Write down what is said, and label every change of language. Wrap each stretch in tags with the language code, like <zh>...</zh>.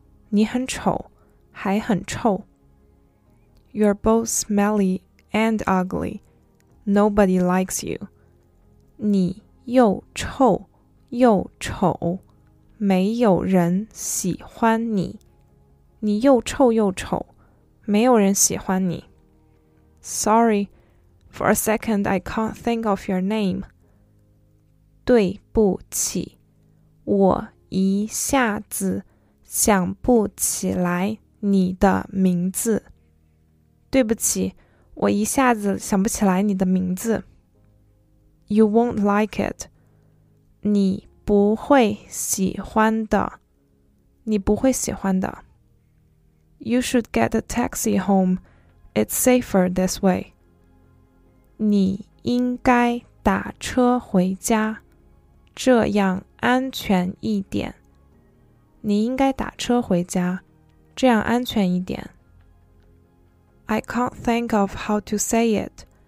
<zh>你很丑，还很臭。</zh> <en>You are both smelly and ugly. Nobody likes you.</en> <zh>你又臭又丑，没有人喜欢你。你又臭又丑，没有人喜欢你。</zh> <en>Sorry, for a second I can't think of your name.</en> <zh>对不起，我一下子想不起来你的名字。对不起，我一下子想不起来你的名字。</zh> <en>You won't like it.</en> <zh>你不会喜欢的。你不会喜欢的。</zh> <en>You should get a taxi home. It's safer this way.</en> <zh>你应该打车回家，这样安全一点。你应该打车回家，这样安全一点。</zh> <en>I can't think of how to say it.</en>